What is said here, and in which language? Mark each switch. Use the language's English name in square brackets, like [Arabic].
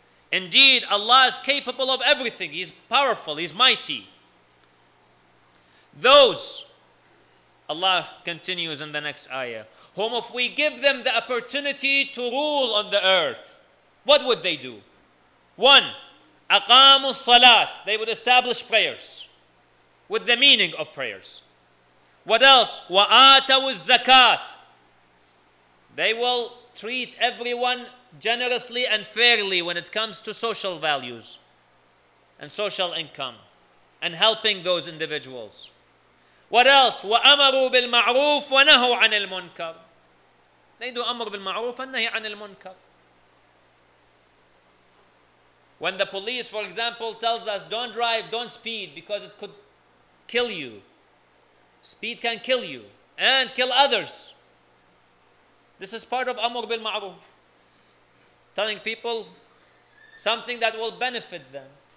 [English] Indeed, Allah is capable of everything. He's powerful, he's mighty. Those, Allah continues in the next ayah, whom if we give them the opportunity to rule on the earth, what would they do? One, [Arabic] أقاموا الصلاة. [English] They would establish prayers with the meaning of prayers. What else? [Arabic] وآتوا الزكاة. [English] They will treat everyone generously and fairly when it comes to social values and social income and helping those individuals. What else? [Arabic] وأمروا بالمعروف ونهوا عن المنكر. [English] They do [Arabic] أمر بالمعروف ونهي عن المنكر. [English] When the police, for example, tells us, "Don't drive, don't speed, because it could kill you. Speed can kill you and kill others." This is part of Amr bil Ma'ruf. Telling people something that will benefit them.